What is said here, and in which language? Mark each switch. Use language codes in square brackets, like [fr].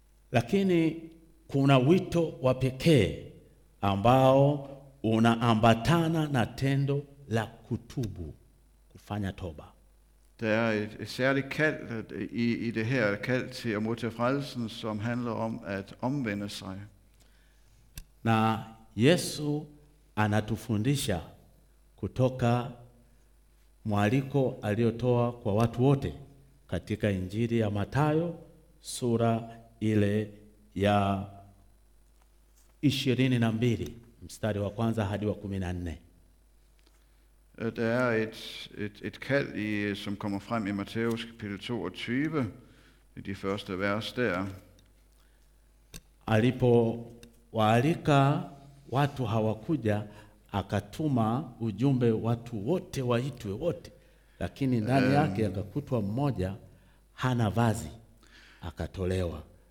[sw] Lakini kuna wito wa pekee ambao unaambatana na tendo la kutubu. fanya toba. [da] Der er et særligt kald i det her kald til at modtage frelsen, som handler om at omvende sig. [sw] Na Yesu anatufundisha kutoka mwaliko aliotoa kwa watu wote katika Injili ya Mathayo sura ile ya 22 mstari wa kwanza hadi wa 14. [da] Der er et kald, som kommer frem i Matteus kapitel 22, i de første vers der. [sw] Alipo waalika watu hawakuja, akatuma ujumbe watu wote waitwe wote, lakini ndani yake akakutwa mmoja hana vazi, akatolewa.